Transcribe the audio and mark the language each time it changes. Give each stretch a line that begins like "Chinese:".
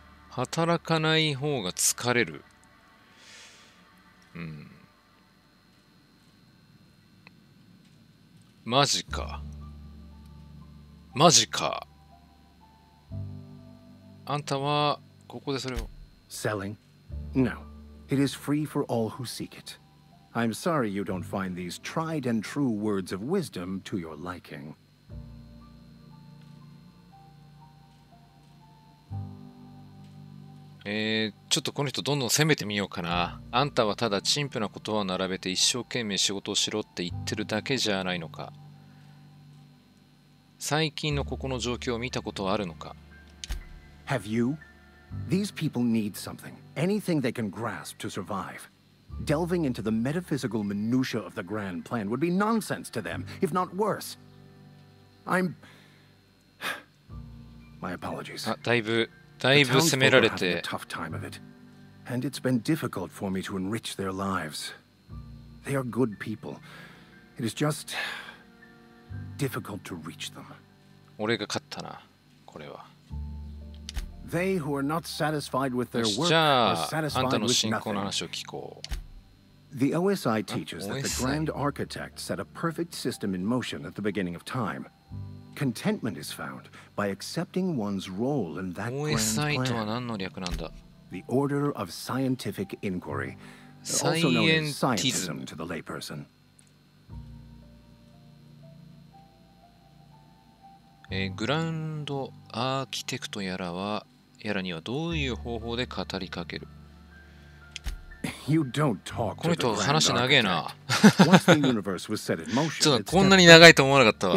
Japanese: 働かない方が疲れる。マジか。マジか。あんたはここでそれを。
English: Selling? No. It is free for all who seek it. I'm sorry you don't find these tried and true words of wisdom to your liking.
Japanese: ちょっとこの人どんどん攻めてみようかな。あんたはただ陳腐なことを並べて一生懸命仕事をしろって言ってるだけじゃないのか。最近のここの状況を見たことはあるのか。
English: Have you? These people need something, anything they can grasp to survive. Delving into the metaphysical minutia of the grand plan would be nonsense to them, if not worse. I'm... My apologies.
Japanese: だいぶ攻められて。
English: The townsfolk have a tough time of it. And it's been difficult for me to enrich their lives. They are good people. It is just... difficult to reach them.
Japanese: 俺が勝ったな、これは。
English: They who are not satisfied with their work are satisfied with nothing.
Japanese: じゃあ、あんたの信仰の話を聞こう。
English: The OSI teaches that the grand architect set a perfect system in motion at the beginning of time. Contentment is found by accepting one's role in that grand plan.
Japanese: OSI とは何の略なんだ?
English: The order of scientific inquiry, also known as scientism to the layperson.
Japanese: グランドアーキテクトやらにはどういう方法で語りかける?
English: You don't talk
Japanese: これと話長えな。ちょっとこんなに長いと思わなかったわ。